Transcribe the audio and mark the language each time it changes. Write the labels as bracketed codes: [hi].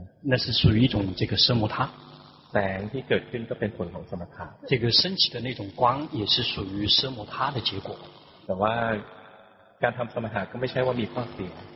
[zh] 那是属于一种这个奢摩他 [th] แสงที่เกิดขึ้นก็เป็นผลของสมถะ [zh] 这个升起的那种光也是属于奢摩他的结果 [th] แต่ว่าการทำสมถะก็ไม่ใช่ว่ามีข้อเสีย